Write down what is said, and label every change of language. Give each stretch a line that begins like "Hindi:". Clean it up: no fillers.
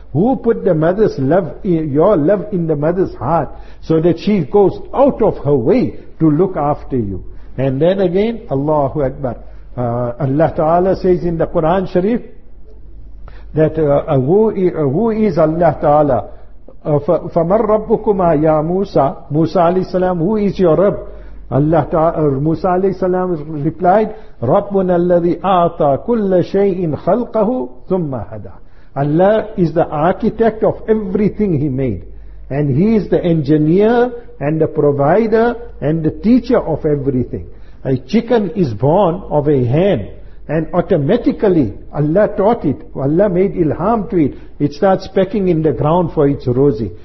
English: Who put the mother's love, your love in the mother's heart so that she goes out of her way to look after you? And then again, Allahu Akbar. Allah Ta'ala says in the Quran Sharif that who is Allah Ta'ala?
Arabic: فَمَنْ رَبُّكُمَا يَا مُوسَى.
English: Musa alayhi salam, who is your Rabb? Allah Ta'ala, Musa alayhi salam replied,
Arabic: رَبُّنَا الَّذِي أَعْطَى كُلَّ شَيْءٍ خَلْقَهُ ثُمَّ هَدَى.
English: Allah is the architect of everything He made. And He is the engineer and the provider and the teacher of everything. A chicken is born of a hen. And automatically, Allah taught it. Allah made ilham to it. It starts pecking in the ground for its rosy.